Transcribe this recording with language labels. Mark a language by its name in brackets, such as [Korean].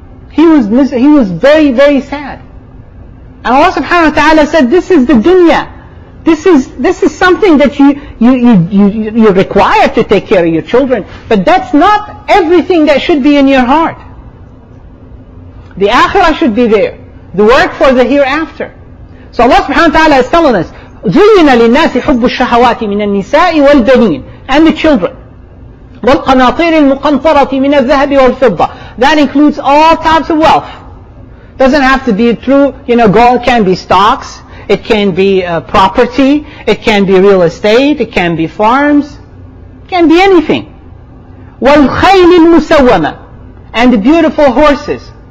[English] He was very, very sad. And Allah subhanahu wa ta'ala said, this is the dunya. This is something that you're required to take care of your children, but that's not everything that should be in your heart. The akhirah should be there. The work for the hereafter. So Allah subhanahu wa ta'ala is telling us, [Arabic] زين للناس حب الشهوات من النساء والبنين [English] and the children [Arabic] والقناطير المقنطرة من الذهب والفضة. [English] That includes all types of wealth. Doesn't have to be through, you know, gold. It can be stocks, it can be property, it can be real estate, it can be farms, it can be anything. [Arabic] والخيل المسومة [English] and the beautiful horses.